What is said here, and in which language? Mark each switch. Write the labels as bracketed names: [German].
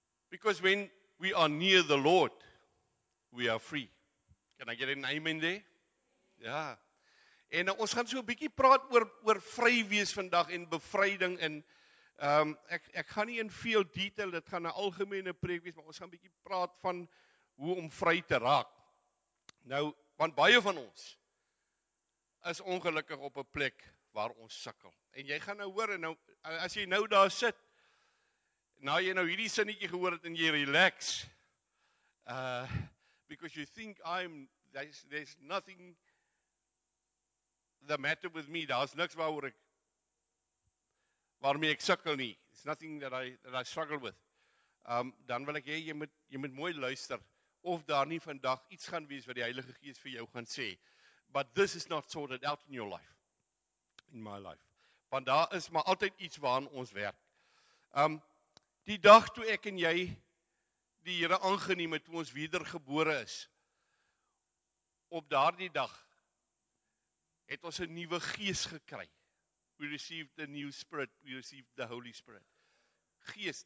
[English] Because when we are near the Lord, we are free. Can I get an amen there? [Afrikaans] Ja. En ons gaan so 'n bietjie praat oor vry wees vandag en bevryding en ek gaan nie in veel detail, dit gaan 'n algemene preek wees, maar ons gaan 'n bietjie praat van hoe om vry te raak. Nou, want baie van ons is ongelukkig op 'n plek waar ons sukkel. En jy gaan nou hoor en nou as jy nou daar sit, nou jy nou hierdie sinnetjie gehoor het en jy relax. [English] Because you think there's nothing the matter with me. [Afrikaans] Daar's niks waarmee ek sukkel nie. [English] It's nothing that I struggle with. [Afrikaans] Dan wil ek hê jy moet mooi luister of daar nie vandag iets gaan wees wat die Heilige Gees vir jou gaan sê. [English] But this is not sorted out in your life. In my life. [Afrikaans] Want daar is maar altyd iets waaraan ons werk. Die dag toe ek en jy die Here aangeneem het, toe ons wedergebore is, op daardie dag het ons 'n nuwe gees gekry. [English] We received the new spirit. We received the Holy Spirit. Gees.